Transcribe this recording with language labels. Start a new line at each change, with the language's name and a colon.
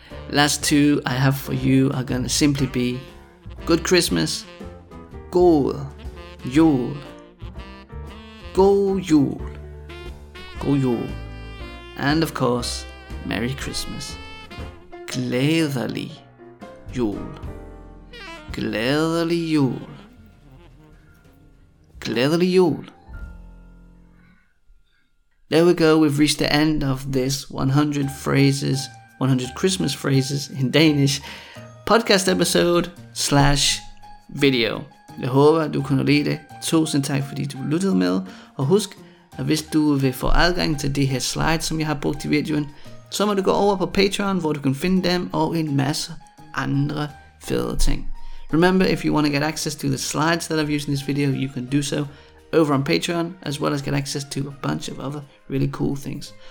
English: Last two I have for you are gonna simply be good Christmas,
Danish: god jul, god jul, god jul,
English: and of course Merry Christmas,
Danish: glædelig jul, glædelig jul, glædelig jul.
English: There we go, we've reached the end of this 100 phrases, 100 Christmas phrases in Danish podcast episode / video.
Danish: Jeg håber, du kunne lide det. Tusind tak, fordi du lyttede med. Og husk, at hvis du vil få adgang til de her slides, som jeg har brugt i videoen, så må du gå over på Patreon, hvor du kan finde dem og en masse andre fede ting.
English: Remember, if you want to get access to the slides that I've used in this video, you can do so over on Patreon, as well as get access to a bunch of other really cool things.